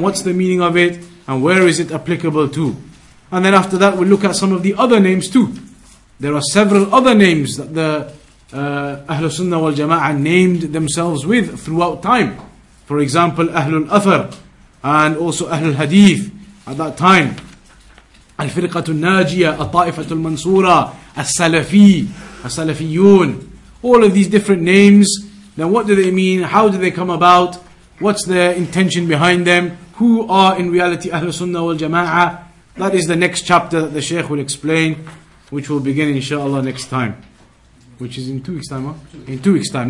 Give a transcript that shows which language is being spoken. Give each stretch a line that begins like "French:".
English: What's the meaning of it? And where is it applicable to? And then after that, we'll look at some of the other names too. There are several other names that the Ahl Sunnah wal Jama'ah named themselves with throughout time. For example, Ahlul Athar, and also Ahlul Hadith at that time.
Arabic: الفرقة الناجية الطائفة المنصورة السلفي السلفيون.
English: All of these different names, then what do they mean? How do they come about? What's the intention behind them? Who are in reality Ahl Sunnah wal Jama'ah? That is the next chapter that the Shaykh will explain, which will begin inshallah next time, which is in 2 weeks time, huh? In 2 weeks time.